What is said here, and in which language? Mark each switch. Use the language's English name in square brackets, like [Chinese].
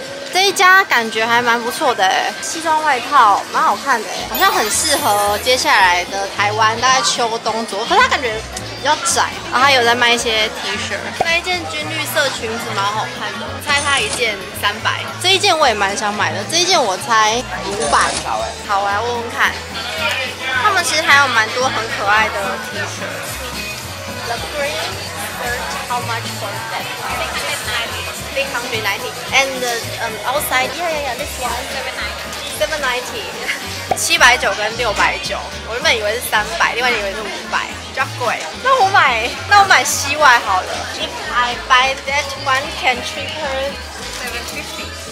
[Chinese] 这一家感觉还蛮不错的哎，西装外套蛮好看的哎，好像很适合接下来的台湾，大概秋冬左右。可是它感觉比较窄，然后还有在卖一些 T 恤，那一件军绿色裙子蛮好看的，猜它一件300。这一件我也蛮想买的，这一件我猜500。好，我来问问看。他们其实还有蛮多很可爱的 T 恤。 [English] The green shirt, how much for that? $390. And the outside, yeah, this one $790. [Chinese] 790跟690，我原本以为是300，另外以为是500。比较贵，那我买西外好了。 [English] If I buy that one, can cheaper $750.